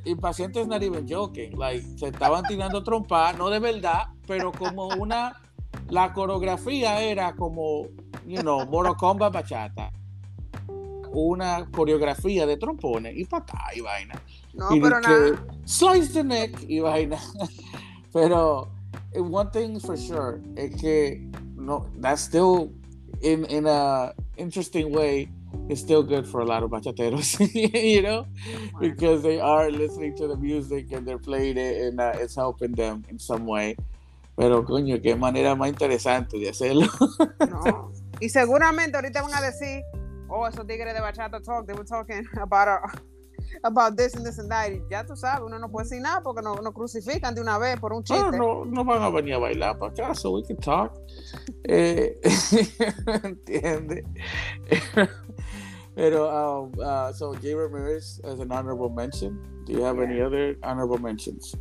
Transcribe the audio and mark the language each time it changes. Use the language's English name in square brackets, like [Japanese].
[English] Impaciente is not even joking. [Spanish] Like, se estaban tirando trompa, no de verdad, pero como una la coreografía era como, you know, Mortal Kombat bachata. Una coreografía de trompones y patá y vaina. No, y pero nada. [English] Slice the neck [Spanish] y vaina. [English] Pero one thing for sure [Spanish] es que no, [English] that's still in a interesting way, it's still good for a lot of bachateros, you know, because they are listening to the music and they're playing it and it's helping them in some way. [Spanish] Pero coño, qué manera más interesante de hacerlo. No. Y seguramente ahorita van a decir, oh, esos tigres de bachata [English] talk, they were talking about this and this and that. [Spanish] Ya tú sabes, uno no puede decir nada porque no crucifican de una vez por un chiste. No van a venir a bailar para acá, [English] so we can talk. [Spanish] ¿Entiende? Pero, [English] so Jay Ramirez as an honorable mention. Do you have any other honorable mentions?